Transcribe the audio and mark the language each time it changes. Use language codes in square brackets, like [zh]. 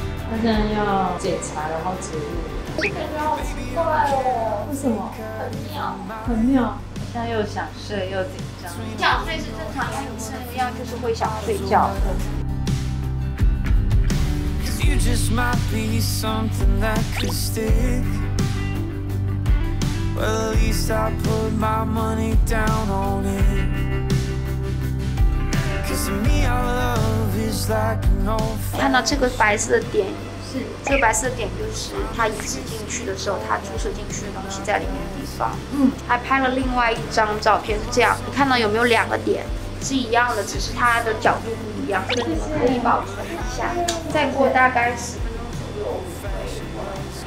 [zh] 他现在要检查，然后植入。这个感觉好奇怪哦。为什么？很妙。很妙。现在又想睡又紧张。想睡是正常，因为你吃那个药就是会想睡觉的。 [en] Cause you just might be something that could stick. Well, at least I put my money down on it. Cause to me, our love is like an old friend. [zh] 看到这个白色的点，是这个白色的点，就是他移植进去的时候，他注射进去的东西在里面的地方。嗯，还拍了另外一张照片，是这样，你看到有没有两个点是一样的，只是它的角度不一样。所以你们可以保存一下，再过大概10分钟左右。